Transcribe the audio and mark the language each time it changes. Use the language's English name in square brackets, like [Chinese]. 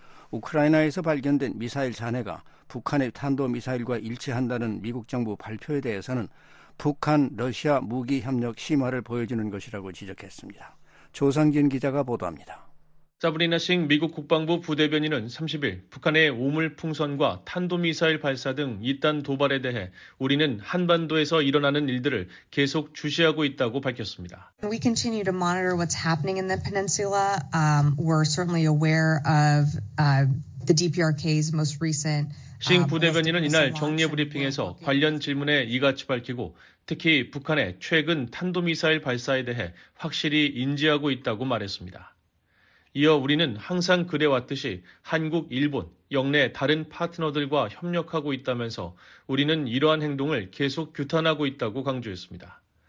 [Korean] 우크라이나에서 발견된 미사일 잔해가 북한의 탄도미사일과 일치한다는 미국 정부 발표에 대해서는 북한, 러시아 무기협력 심화를 보여주는 것이라고 지적했습니다. 조상진 기자가 보도합니다. 사브리나 싱 미국 국방부 부대변인은 30일 북한의 오물풍선과 탄도미사일 발사 등 잇단 도발에 대해 우리는 한반도에서 일어나는 일들을 계속 주시하고 있다고 밝혔습니다. [English] We continue to monitor what's happening in the peninsula. We're certainly aware of the DPRK's most recent. [Korean] 싱 부대변인은 이날 정례 브리핑에서 관련 질문에 이같이 밝히고 특히 북한의 최근 탄도미사일 발사에 대해 확실히 인지하고 있다고 말했습니다. 이어 우리는 항상 그래왔듯이 한국, 일본, 영내 다른 파트너들과 협력하고 있다면서 우리는 이러한 행동을 계속 규탄하고 있다고 강조했습니다.